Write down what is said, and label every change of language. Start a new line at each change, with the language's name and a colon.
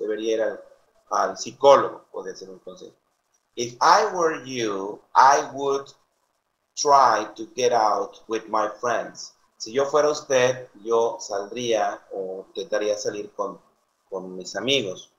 Spanish: Debería ir al psicólogo, podría ser un consejo.
English: If I were you, I would try to get out with my friends.
Spanish: Si yo fuera usted, yo saldría o intentaría salir con mis amigos.